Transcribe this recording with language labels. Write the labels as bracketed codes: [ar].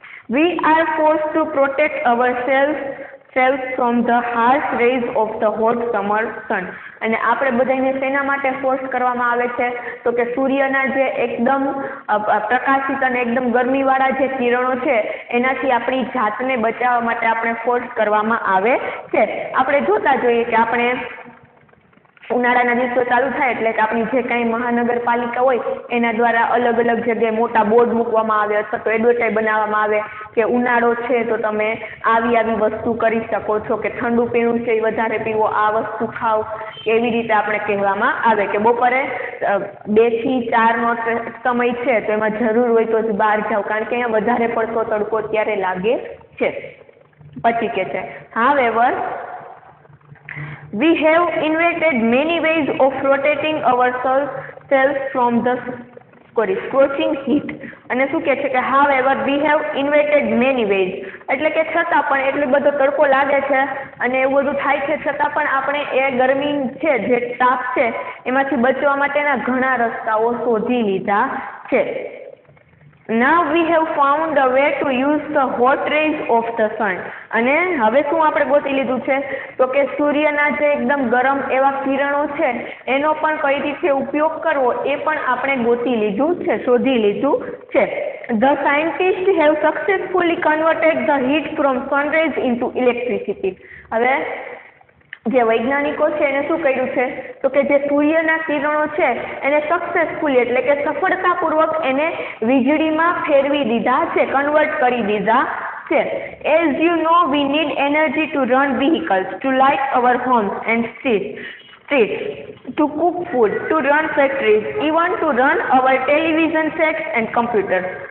[en] We are force to protect our self from the harsh rays of the hot summer sun. [gu] અને આપણે બધાને સેના માટે ફોર્સ કરવામાં આવે છે, તો કે સૂર્યના જે એકદમ પ્રકાશિત અને એકદમ ગરમીવાળા જે કિરણો છે એનાથી આપણી જાતને બચાવવા માટે આપણે ફોર્સ કરવામાં આવે છે। આપણે જોતા જોઈએ કે આપણે ઉનાળાના દિવસો ચાલુ થાય એટલે કે આપણી જે કાંઈ મહાનગરપાલિકા હોય એના દ્વારા અલગ અલગ જગ્યાએ મોટા બોર્ડ મૂકવામાં આવે અથવા તો એડવર્ટાઇઝ બનાવવામાં આવે કે ઉનાળો છે તો તમે આવી આવી વસ્તુ કરી શકો છો, કે ઠંડુ પીણું છે એ વધારે પીવો, આ વસ્તુ ખાઓ, એવી રીતે આપણે કહેવામાં આવે કે બપોરે 2-4 નો સમય છે તો એમાં જરૂર હોય તો જ બહાર જાઓ, કારણ કે અહીંયા વધારે પડતો તડકો ત્યારે લાગે છે। પછી કે છે, [en] However We have invented many ways of rotating ourselves from the scorching heat. [gu] અને શું કહે છે કે [en] however we have invented many ways, [gu] એટલે કે છતાં પણ એટલો બધો તડકો લાગે છે અને એવું બધું થાય છે, છતાં પણ આપણે એ ગરમી છે જે તાપ છે એમાંથી બચવા માટેના ઘણા રસ્તાઓ શોધી લીધા છે। [en] Now we have found a way to use the hot rays of the sun. [gu] અને હવે શું આપણે ગોતી લીધું છે, તો કે સૂર્યના જે એકદમ ગરમ એવા કિરણો છે એનો પણ કઈ રીતે ઉપયોગ કરવો એ પણ આપણે ગોતી લીધું છે, શોધી લીધું છે। [en] The scientists have successfully converted the heat from sun rays into electricity. [gu] હવે જે વૈજ્ઞાનિકો છે એને શું કર્યું છે, તો કે જે સૂર્યના કિરણો છે એને સક્સેસફુલી એટલે કે સફળતાપૂર્વક એને વીજળીમાં ફેરવી દીધા છે, કન્વર્ટ કરી દીધા છે। [en] As you know we need energy to run vehicles, to light our homes and street, to cook food, to run factories, even to run our television sets and computers.